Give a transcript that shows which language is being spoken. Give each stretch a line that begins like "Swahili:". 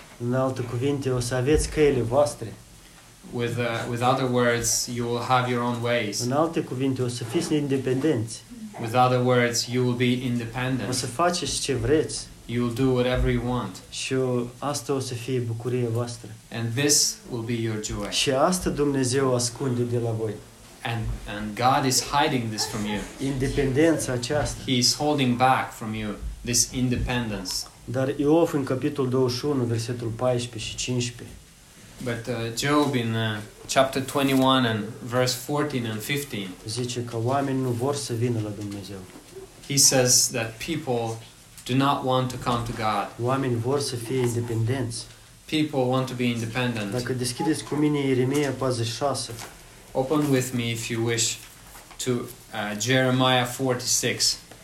Romanian: În alte cuvinte, o să aveți căile voastre.
English: With other words, you will have your own ways.
Romanian: În alte cuvinte, o să fiți independenți.
English: With other words, you will be independent.
Romanian: O să faceți ce vreți.
English: You'll do whatever you want.
Romanian: Și asta o să fie bucuria voastră.
English: And this will be your joy.
Romanian: Și asta Dumnezeu ascunde de la voi.
English: And God is hiding this from you.
Romanian: Independența aceasta.
English: He is holding back from you this independence.
Romanian: Dar Iov în capitolul 21, versetul 14 și 15.
English: But Job in chapter 21 and verse 14 and 15.
Romanian: Zice că oamenii nu vor să vină la Dumnezeu.
English: He says that people do not want to come to God.
Romanian: Oamenii vor să fie independenți.
English: People want to be independent.
Romanian: Dacă deschideți cu mine Ieremia 46.
English: Open with me if you wish to Jeremiah 46.